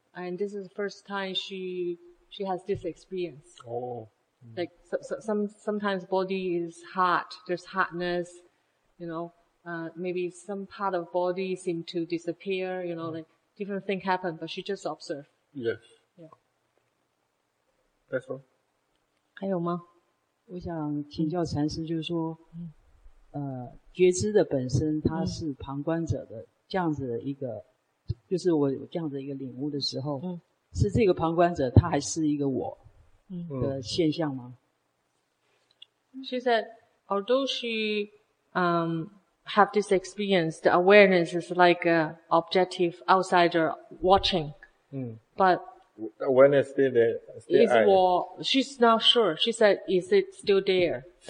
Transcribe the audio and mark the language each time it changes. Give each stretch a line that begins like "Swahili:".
English: And this is the first time she has this experience. Oh. Like, sometimes body is hot, there's hardness, you know, maybe some part of body seem to disappear, you know, like different things happen, but she just observed. Yes. Yeah. That's all.
Chinese: 还有吗？我想请教禅师，就是说，觉知的本身它是旁观者的这样子的一个，就是我这样子一个领悟的时候，是这个旁观者他还是一个我的现象吗？
English: She said, although she have this experience, the awareness is like an objective outsider watching. But awareness still there. She's not sure. She said, is it still there?